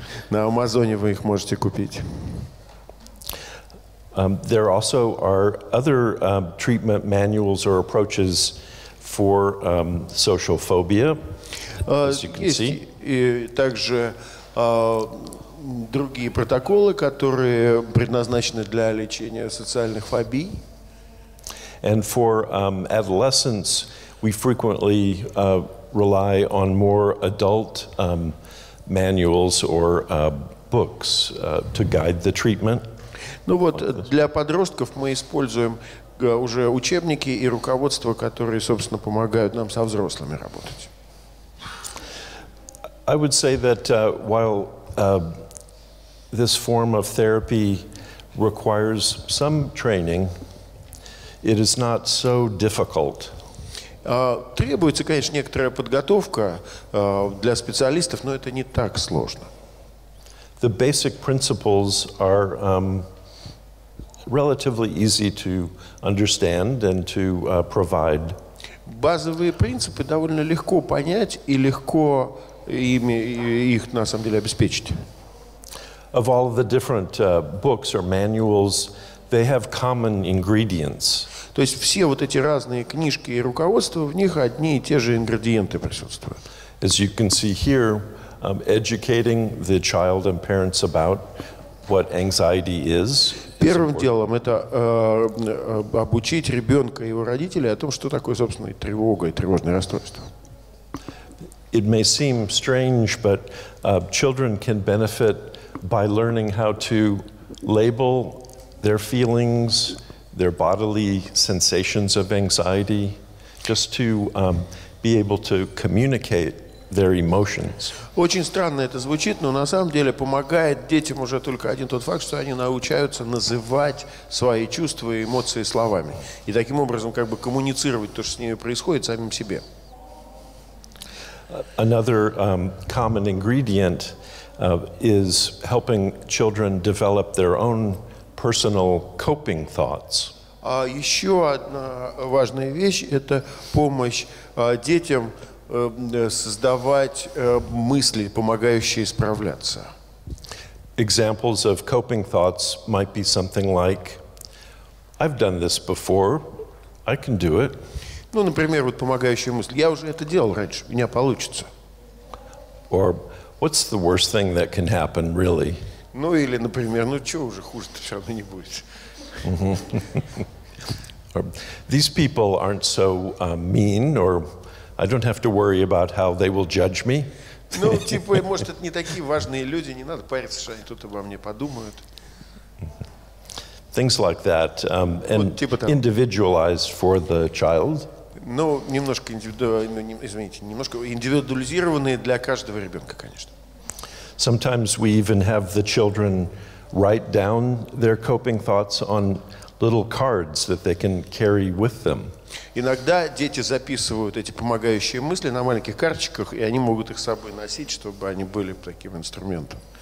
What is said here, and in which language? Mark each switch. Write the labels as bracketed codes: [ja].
[ru] На Амазоне вы их можете купить. [en] There also are other treatment manuals or approaches for social phobia, as you can see. [ru] И также другие протоколы, которые предназначены для лечения социальных фобий. [en] And for adolescents, we frequently rely on more adult manuals or books to guide the treatment. [ru] Ну вот для подростков мы используем уже учебники и руководства, которые, собственно, помогают нам со взрослыми работать. [en] I would say that while this form of therapy requires some training, it is not so difficult. [ru] Требуется, конечно, некоторая подготовка для специалистов, но это не так сложно. [en] The basic principles are relatively easy to understand and to provide. [ru] Базовые принципы довольно легко понять и легко ими их на самом деле обеспечить. [en] Of all the different books or manuals, they have common ingredients. [ru] То есть все вот эти разные книжки и руководства, в них одни и те же ингредиенты присутствуют. [en] As you can see here, educating the child and parents about what anxiety is. [ru] Первым делом это обучить ребенка и его родителей о том, что такое, собственно, тревога и тревожное расстройство. [en] It may seem strange, but children can benefit by learning how to label their feelings, their bodily sensations of anxiety, just to be able to communicate their emotions. [ru] Очень странно это звучит, но на самом деле помогает детям уже только один тот факт, что они научаются называть свои чувства и эмоции словами. И таким образом как бы коммуницировать то, что с ними происходит, самим себе. [en] Another common ingredient is helping children develop their own personal coping thoughts. [ru] Еще одна важная вещь – это помощь детям создавать мысли, помогающие справляться. [en] Examples of coping thoughts might be something like, I've done this before, I can do it. [ru] Ну, например, вот помогающая мысль, я уже это делал раньше, у меня получится. [en] Or, what's the worst thing that can happen, really? [ru] Ну или, например, ну что уже хуже-то все равно не будет. [en] These people aren't so mean, or I don't have to worry about how they will judge me. [ru] Ну, типа, может, это не такие важные люди, не надо париться, что они тут обо мне подумают. [en] Things like that, and [ru] вот, типа, там, [en] individualized for the child. [ru] Ну, немножко индивидуализированные для каждого ребенка, конечно. [en] Sometimes we even have the children write down their coping thoughts on little cards that they can carry with them. [ru] Иногда дети записывают эти помогающие мысли на маленьких карточках, и они могут их с собой носить, чтобы они были таким инструментом.